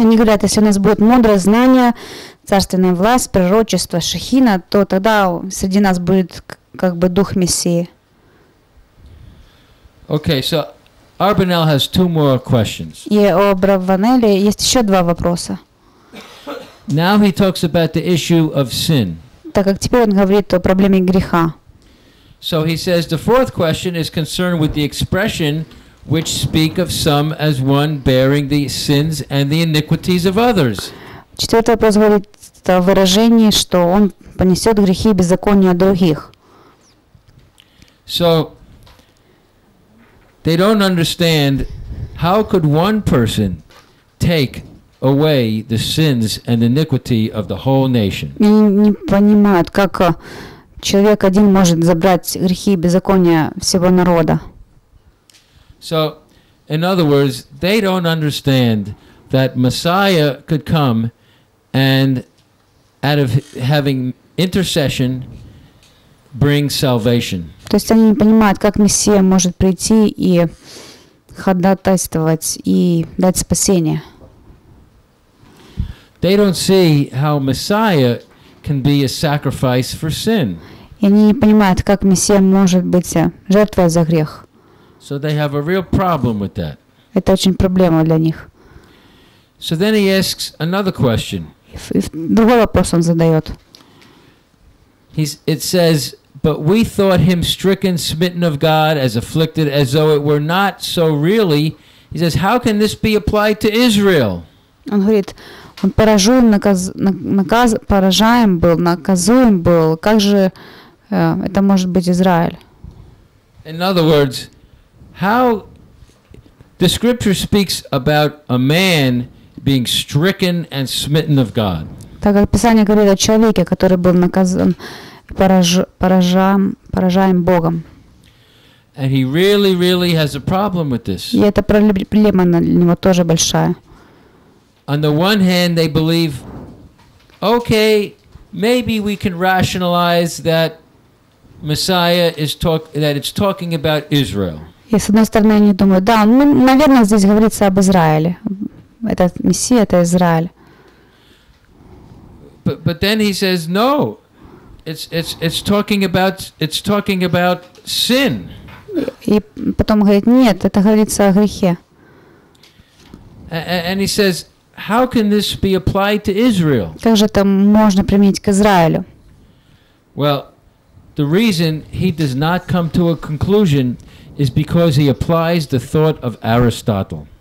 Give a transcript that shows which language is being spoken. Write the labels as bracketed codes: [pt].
[ru] Они говорят, если у нас будет мудрость, знание, царственная власть, пророчество, Шехина, то тогда среди нас будет как бы дух Мессии. [en] Okay, so Arbanel has two more questions. [ru] И у Арбанели есть еще два вопроса. [en] Now he talks about the issue of sin. [ru] Так как теперь он говорит о проблеме греха. [en] So he says the fourth question is concerned with the expression which speak of some as one bearing the sins and the iniquities of others. [ru] Четвертый вопрос говорит о выражении, что он понесет грехи и беззакония других. [en] So they don't understand how could one person take away the sins and iniquity of the whole nation. [ru] И не понимают, как человек один может забрать грехи и беззакония всего народа. [en] So, in other words, they don't understand that Messiah could come and out of having intercession bring salvation. [ru] То есть они не понимают, как Мессия может прийти и ходатайствовать и дать спасение. [en] They don't see how Messiah can be a sacrifice for sin. [ru] И они не понимают, как Мессия может быть жертвой за грех. [en] So they have a real problem with that. [ru] Это очень проблема для них. [en] So then he asks another question. [ru] Другой вопрос он задает. [en] It says, but we thought him stricken, smitten of God, as afflicted, as though it were not so really. He says, how can this be applied to Israel? [ru] Он говорит, он поражен, поражаем был, наказуем был. Как же это может быть Израиль? [en] In other words, how the scripture speaks about a man being stricken and smitten of God. [ru] Так как Писание говорит о человеке, который был наказан, поражаем Богом. [en] And he really, really has a problem with this. [ru] И эта проблема для него тоже большая. [en] On the one hand, they believe, okay, maybe we can rationalize that Messiah is that it's talking about Israel. [ru] И с одной стороны, они думают, да, ну, наверное, здесь говорится об Израиле. Это Мессия, это Израиль. [en] But then he says, no, it's talking about sin. [ru] И потом говорит, нет, это говорится о грехе. [en] And he says, how can this be applied to Israel? [ru] Как же это можно применить к Израилю? [en] Well, the reason he does not come to a conclusion is because he applies the thought of Aristotle.